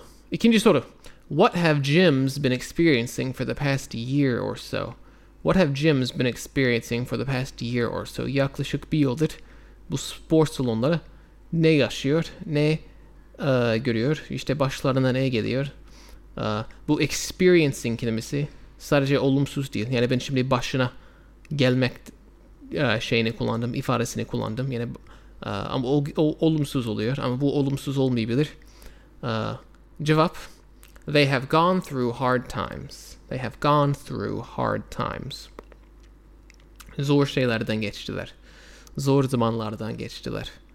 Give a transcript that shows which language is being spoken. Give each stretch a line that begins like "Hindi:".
Turkish: İkinci soru,
English: what have gyms been experiencing for the past year or so? What have gyms been experiencing for the past year or so?
Turkish: Yaklaşık bir yıldır bu spor salonları ne yaşıyor, ne görüyor, işte başlarına ne geliyor? Bu experiencing kelimesi sadece olumsuz değil. Yani ben şimdi başına gelmek şeyini kullandım, ifadesini kullandım. Yani ama olumsuz oluyor, ama bu olumsuz olmayabilir. Cevap,
English: they have gone through hard times. They have gone through hard times.
Turkish: Zor şeylerden geçtiler. Zor zamanlardan geçtiler.